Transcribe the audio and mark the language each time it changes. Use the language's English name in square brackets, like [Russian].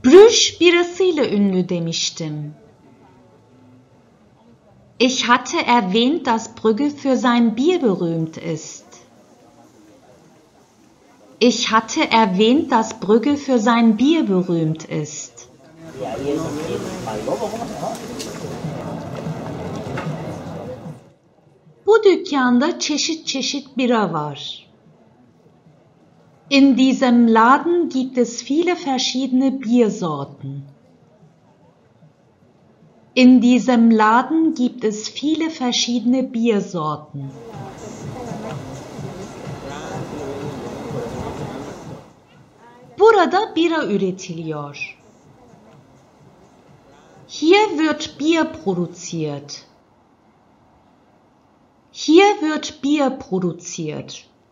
[Turkish] spirasıyla ünlü demiştim. [German] Ich hatte erwähnt, dass Brügge für sein Bier berühmt ist. Ich hatte erwähnt, dass Brügge für sein Bier berühmt ist. [Turkish] Bu dükkanda çeşit çeşit bira var. [German] In diesem Laden gibt es viele verschiedene Biersorten. In diesem Laden gibt es viele verschiedene Biersorten. [Turkish] Burada bira üretiliyor. [German] Hier wird Bier produziert. Hier wird Bier produziert.